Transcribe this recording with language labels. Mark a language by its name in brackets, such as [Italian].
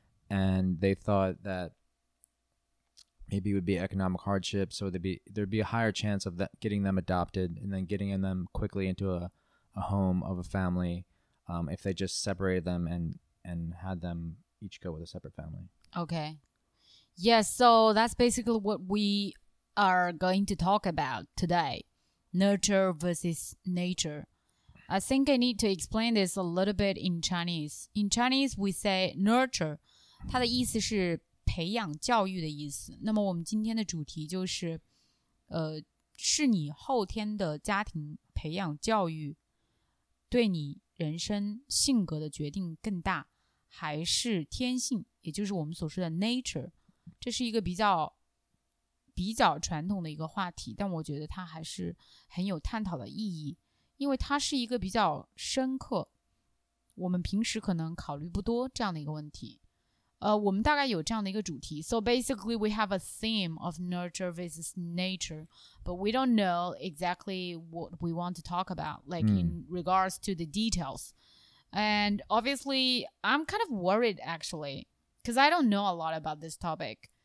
[English] And they thought that maybe it would be economic hardship, so there'd be a higher chance of that getting them adopted and then getting them quickly into a home of a family if they just separated them and had them each go with a separate family. Okay. Yes, so that's basically what we are going to talk about today. Nurture versus nature. I think I need to explain this a little bit in Chinese. In Chinese, we say nurture. [Chinese] 它的意思是培养教育的意思。那么我们今天的主题就是是你后天的家庭培养教育对你人生性格的决定更大，还是天性，也就是我们所说的 nature。这是一个比较传统的一个话题，但我觉得它还是很有探讨的意义，因为它是一个比较深刻，我们平时可能考虑不多这样的一个问题。我们大概有这样的一个主题。 [English] So basically we have a theme of nurture versus nature, but we don't know exactly what we want to talk about, like in regards to the details. And obviously I'm kind of worried actually, because I don't know a lot about this topic.